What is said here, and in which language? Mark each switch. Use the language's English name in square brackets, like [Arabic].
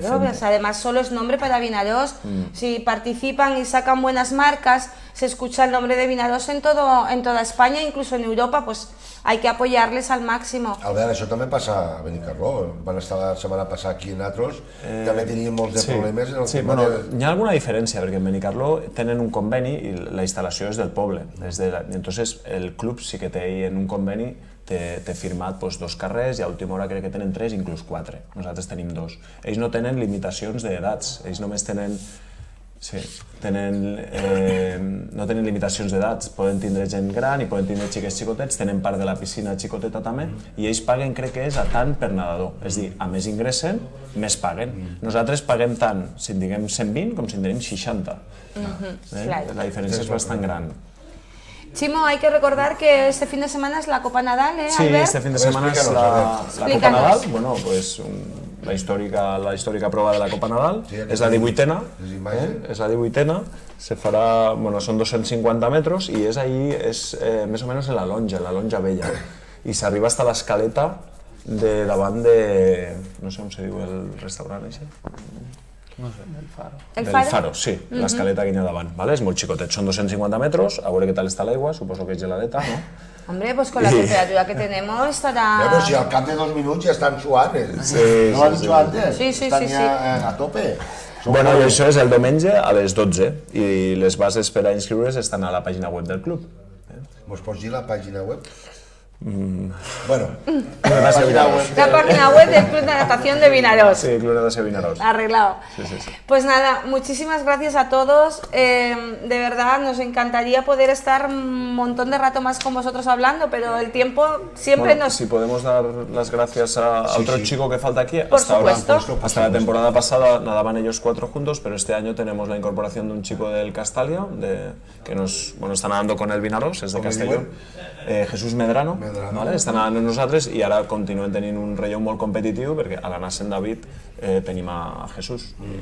[Spanish] Claro, pues además solo es nombre para Vinaròs. Si participan y sacan buenas marcas, se escucha el nombre de Vinaròs en toda España, incluso en Europa, pues hay que apoyarles al máximo. A ver, eso también pasa a Benicarló. Van a estar la semana pasada aquí en Atros. También teníamos de problemes en el tema bueno, de... [Catalan] Hi ha alguna diferència, perquè en Benicarló tenen un conveni i la instal·lació és del poble. Entonces el club sí que té ahí en un conveni, té firmat pues, dos carrers i a última hora crec que tenen 3, inclús 4. Nosaltres tenim 2. Ells no tenen limitacions d'edats, ells només tenen... no tenen limitacions d'edats, poden tindre gent gran i poden tindre xiquets xicotets, tenen part de la piscina xicoteta també, i ells paguen, crec que és, a tant per nedador. És a dir, a més ingressen, més paguen. Nosaltres paguem tant, si en diguem 120, com si en tenim 60. La diferència és bastant gran. [Spanish] Chimo, hay que recordar que este fin de semana es la Copa Nadal, ¿eh, Albert? Sí, este fin de semana es la Copa Nadal. [Catalan] Bueno, pues la històrica prova de la Copa Nadal. Sí, és la 18a. És la 18a. Se farà, bueno, són 250 metres i és ahí, és més o menys la lonja vella. I s'arriba hasta l'escaleta de davant de... No sé com se diu el restaurant, això. No sé, del faro. El faro, sí, la escaleta que hi ha davant, ¿vale? És molt xicotet, són 250 metres, a veure què tal està l'aigua, suposo que és geladeta, no? [Spanish] Hombre, pues con la temperatura que tenemos estará... [Catalan] Ja, però si al cap de dos minuts ja estan suant, eh? Sí, [Spanish] no han dicho antes? Sí, sí, sí. [Catalan] Estan ja a tope. Bueno, i això és el diumenge a les 12, i les bases per a inscriure's estan a la pàgina web del club. Vos pots dir la pàgina web? Bueno, [Spanish] la página web del Club de Natación de Vinaròs. Sí, Club de Natación de Vinaròs. Arreglado. Sí, sí, sí. Pues nada, muchísimas gracias a todos. De verdad, nos encantaría poder estar un montón de rato más con vosotros hablando, pero el tiempo siempre bueno, nos... Si podemos dar las gracias a otro chico que falta aquí. Por hasta supuesto. Ahora, hasta la temporada pasada nadaban ellos cuatro juntos, pero este año tenemos la incorporación de un chico del Castalia, que nos, bueno, está nadando con el Vinaròs, es de Castellón. Jesús Medrano. Medrano. [Catalan] Vale, estan anant amb nosaltres i ara continuem tenint un relleu molt competitiu perquè a l'anar sent David tenim a Jesús.